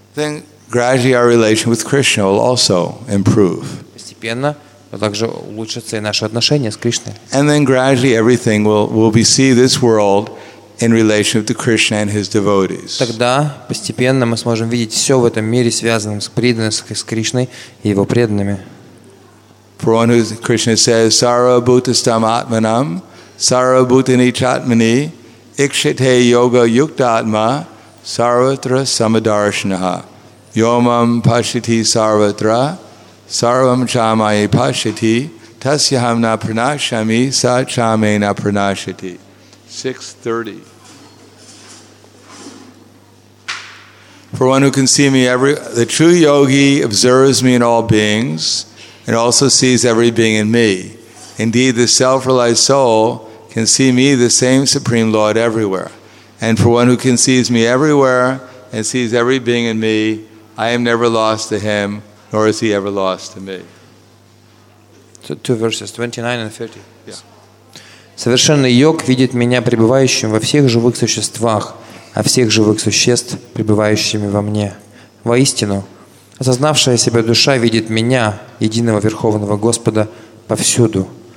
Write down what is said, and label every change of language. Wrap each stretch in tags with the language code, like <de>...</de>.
<en>Then gradually our relation with Krishna will also improve.</en> <ru>Постепенно также улучшатся и наши отношения с Кришной.</ru> <en>And then gradually everything will be see this world in relation to Krishna and his devotees.</en> <ru>Тогда постепенно мы сможем видеть все в этом мире связанным с преданностью с Кришной и его преданными.</ru> <en>For one who Krishna says</en> <sa>sarva bhutastam atmanam sarva bhutani chatmani ikshate yoga yuktatma sarvatra samadarshanaha yomam pashyati sarvatra sarvam chamaye pashyati tasyaham na pranashyami sa chame na pranashyati. 6:30.</sa> <en>For one who can see me every, the true yogi observes me in all beings and also sees every being in me. Indeed, the self-realized soul can see me, the same Supreme Lord, everywhere. And for one who can see me everywhere and sees every being in me, I am never lost to him, nor is he ever lost to me. Two verses, 29 and 30. Yeah.</en> <ru>Совершенный йог видит меня пребывающим во всех живых существах, а всех живых существ пребывающими во мне. Воистину, осознавшая себя душа видит меня, единого Верховного Господа, повсюду.</ru>